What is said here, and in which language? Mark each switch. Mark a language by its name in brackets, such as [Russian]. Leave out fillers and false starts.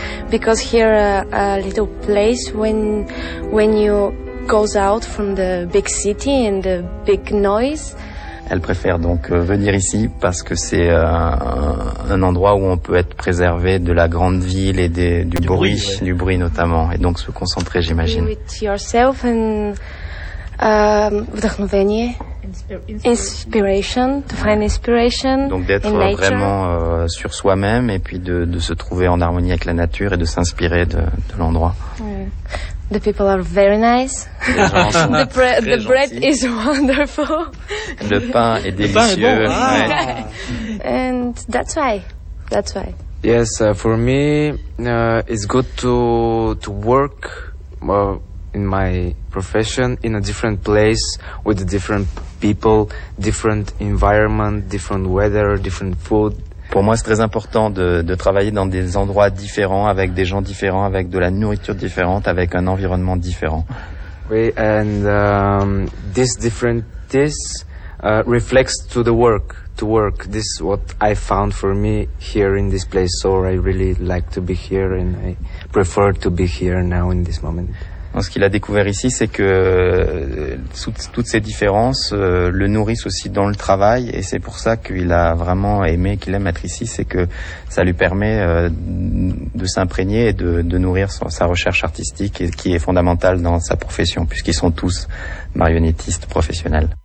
[English] Because here a little place when you goes out from the big city and the big noise. [French] Elle préfère donc venir ici parce que c'est un endroit où on peut être préservé de la grande ville et du bruit notamment, et donc se concentrer, j'imagine. [English] With yourself and [Russian] вдохновение. [English] Inspiration, to find inspiration. [French] Donc d'être [English] in nature. [French] Vraiment sur soi-même, et puis de se trouver en harmonie avec la nature et de s'inspirer de l'endroit. [English] Mm. The people are very nice. The bread is wonderful. [French] Le pain est délicieux. Le pain est bon. Ah. [English] And that's why. Yes, for me, it's good to work. In my profession, in a different place, with different people, different environment, different weather, different food. [French] Pour moi, c'est très important de travailler dans des endroits différents, avec des gens différents, avec de la nourriture différente, avec un environnement différent. [English] Oui, and this differentness reflects to the work. To work. This is what I found for me here in this place. So I really like to be here, and I prefer to be here now in this moment. [French] Ce qu'il a découvert ici, c'est que toutes ces différences le nourrissent aussi dans le travail, et c'est pour ça qu'il a vraiment aimé, qu'il aime être ici, c'est que ça lui permet de s'imprégner et de nourrir sa recherche artistique, et qui est fondamentale dans sa profession, puisqu'ils sont tous marionnettistes professionnels.